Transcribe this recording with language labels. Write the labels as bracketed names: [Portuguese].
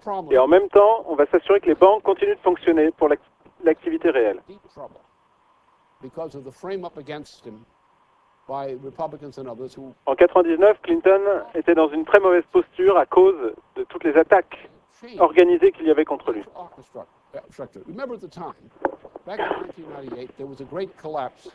[French] Et en même temps, on va s'assurer que les banques continuent de fonctionner pour l'activité réelle. [English] Because of the frame-up against him by Republicans and others who... [French] En 99, Clinton était dans une très mauvaise posture à cause de toutes les attaques organisées qu'il y avait contre lui. [English] Remember the time, back in 1998, there was a great collapse.